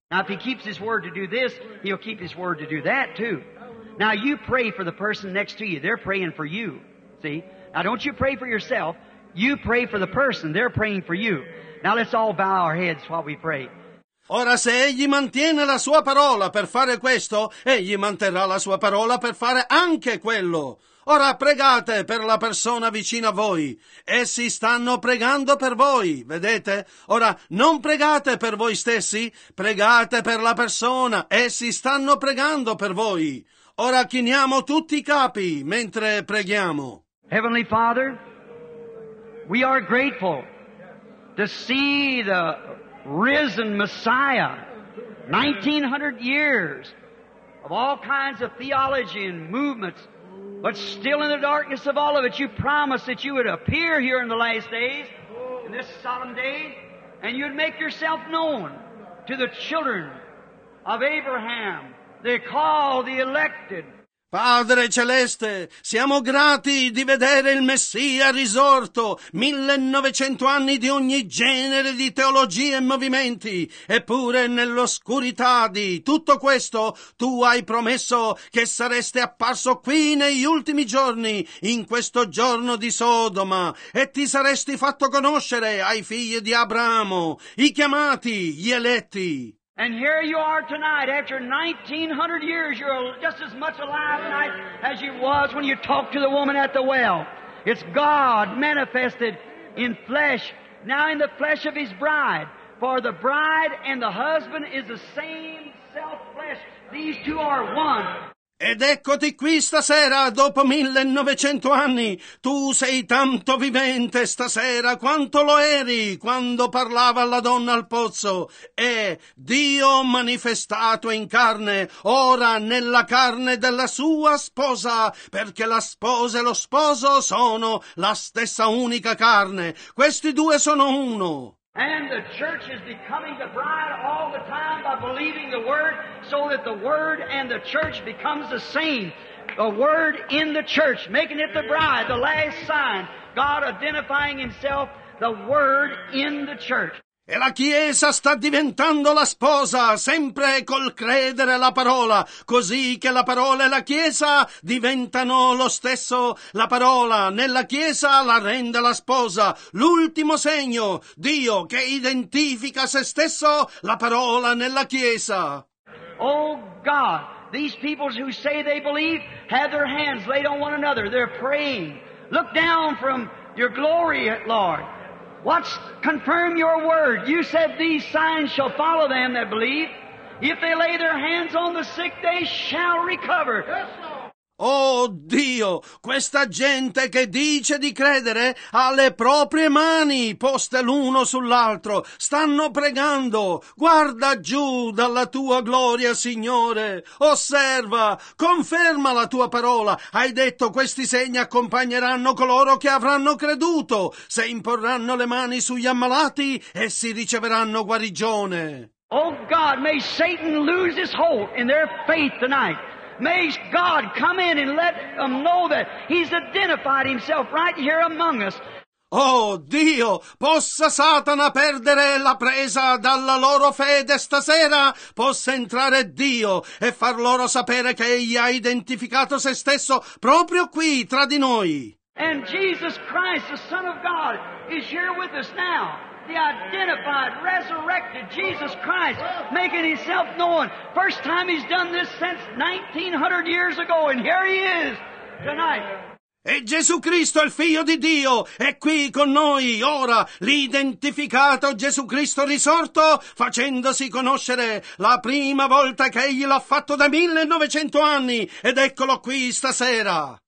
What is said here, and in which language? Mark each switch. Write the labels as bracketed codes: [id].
[en] Now if he keeps his word to do this, he'll keep his word to do that too. Now you pray for the person next to you. They're praying for you. See? Now don't you pray for yourself. You pray for the person. They're praying for you. Now let's all bow our heads while we pray. [it] Ora se egli mantiene la sua parola per fare questo, egli manterrà la sua parola per fare anche quello. Ora pregate per la persona vicina a voi. Essi stanno pregando per voi, vedete? Ora non pregate per voi stessi, pregate per la persona. Essi stanno pregando per voi. Ora chiniamo tutti i capi mentre preghiamo. [en] Heavenly Father, we are grateful to see the risen Messiah, 1900 years of all kinds of theology and movements, but still in the darkness of all of it, you promised that you would appear here in the last days, in this solemn day, and you'd make yourself known to the children of Abraham. They call the elected. [it] Padre Celeste, siamo grati di vedere il Messia risorto, 1900 anni di ogni genere di teologie e movimenti, eppure nell'oscurità di tutto questo tu hai promesso che sareste apparso qui negli ultimi giorni, in questo giorno di Sodoma, e ti saresti fatto conoscere ai figli di Abramo, i chiamati, gli eletti. [en] And here you are tonight, after 1900 years, you're just as much alive tonight as you was when you talked to the woman at the well. It's God manifested in flesh, now in the flesh of his bride. For the bride and the husband is the same self-flesh. These two are one. [it] Ed eccoti qui stasera, dopo 1900 anni, tu sei tanto vivente stasera quanto lo eri quando parlava la donna al pozzo, e Dio manifestato in carne, ora nella carne della sua sposa, perché la sposa e lo sposo sono la stessa unica carne, questi due sono uno. [en] And the church is becoming the bride all the time by believing the word, so that the word and the church becomes the same. The word in the church, making it the bride, the last sign. God identifying himself the word in the church. [it] E la Chiesa sta diventando la sposa, sempre col credere la parola, così che la parola e la Chiesa diventano lo stesso. La parola nella Chiesa la rende la sposa, l'ultimo segno, Dio che identifica se stesso, la parola nella Chiesa. [en] Oh God, these people who say they believe have their hands laid on one another, they're praying. Look down from your glory, Lord. Watch, confirm your word. You said these signs shall follow them that believe. If they lay their hands on the sick, they shall recover. [it] Oh Dio, questa gente che dice di credere ha le proprie mani poste l'uno sull'altro. Stanno pregando. Guarda giù dalla tua gloria, Signore. Osserva, conferma la tua parola. Hai detto questi segni accompagneranno coloro che avranno creduto. Se imporranno le mani sugli ammalati, essi riceveranno guarigione. [en] Oh God, may Satan lose his hold in their faith tonight. May God come in and let them know that He's identified Himself right here among us. [it] Oh Dio, possa Satana perdere la presa dalla loro fede stasera, possa entrare Dio e far loro sapere che Egli ha identificato se stesso proprio qui tra di noi. [en] And Jesus Christ, the Son of God, is here with us now. The identified, resurrected Jesus Christ, making Himself known. First time He's done this since 1900 years ago, and here He is tonight. [it] E Gesù Cristo, il Figlio di Dio, è qui con noi ora, l'identificato Gesù Cristo risorto, facendosi conoscere la prima volta che Egli l'ha fatto da 1900 anni, ed eccolo qui stasera.